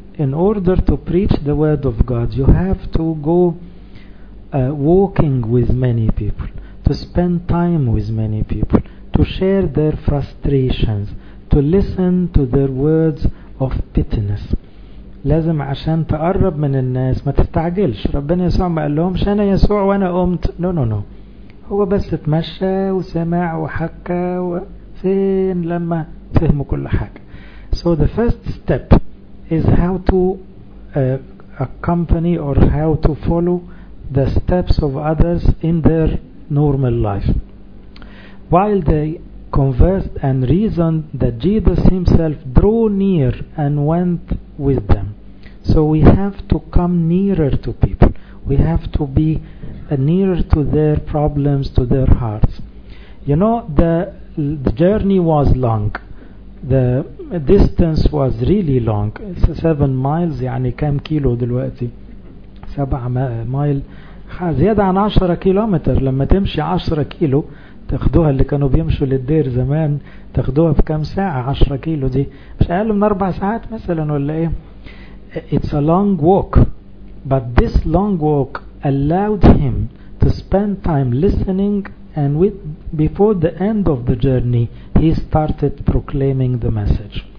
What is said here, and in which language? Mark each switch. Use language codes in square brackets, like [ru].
[en] In order to preach the word of God, you have to go walking with many people, to spend time with many people, to share their frustrations, to listen to their words of bitterness. [ar] لازم عشان تقرب من الناس ما تستعجلش. ربنا يسوع ما قال لهمش انا يسوع وانا قمت. [en] No, no, no. [ar] هو بس اتمشى وسمع وحكى وفين لما فهموا كل حاجة. [en] So the first step is how to accompany or how to follow the steps of others in their normal life. While they conversed and reasoned that Jesus himself drew near and went with them. So we have to come nearer to people. We have to be nearer to their problems, to their hearts. You know, the journey was long. The distance was really long. It's 7 miles, [ar] يعني كم كيلو دلوقتي؟ [en] 7 miles. [ar] زيادة عن 10 كيلومتر. لما تمشي 10 كيلو تاخدوها، اللي كانوا بيمشوا للدير زمان تاخدوها في كم ساعة؟ 10 كيلو دي مش أقل من 4 ساعات مثلا ولا إيه؟ [en] It's a long walk, but this long walk allowed him to spend time listening, and with before the end of the journey he started proclaiming the message.